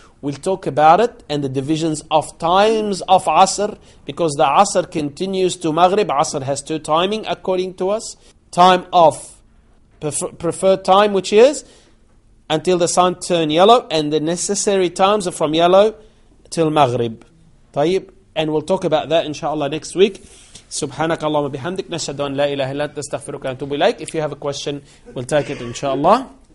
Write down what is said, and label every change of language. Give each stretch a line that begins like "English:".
English: We'll talk about it and the divisions of times of Asr, because the Asr continues to Maghrib. Asr has two timing according to us. Time of preferred time, which is until the sun turn yellow, and the necessary times are from yellow till Maghrib. And we'll talk about that inshallah next week.
Arabic: سبحانك اللهم وبحمدك نشهد أن لا إله إلا أنت نستغفرك ونتوب إليك.
English: If you have a question, we'll take it inshallah.